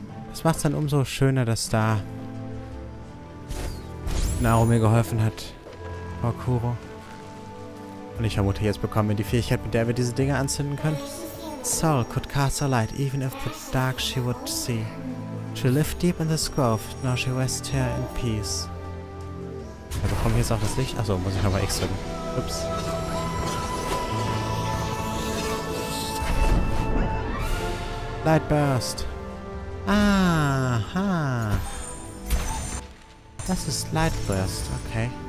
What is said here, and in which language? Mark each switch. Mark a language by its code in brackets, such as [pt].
[de] Das macht es dann umso schöner, dass da Naro mir geholfen hat. Frau Kuro. Und ich vermute, jetzt bekommen wir die Fähigkeit, mit der wir diese Dinge anzünden können. [en] Sol could cast a light, even if the dark she would see. She lived deep in this grove, now she rests here in peace. [de] Wir bekommen jetzt auch das Licht. Achso, muss ich nochmal X drücken. Ups. Light Burst. Aha. Das ist Light Burst, okay.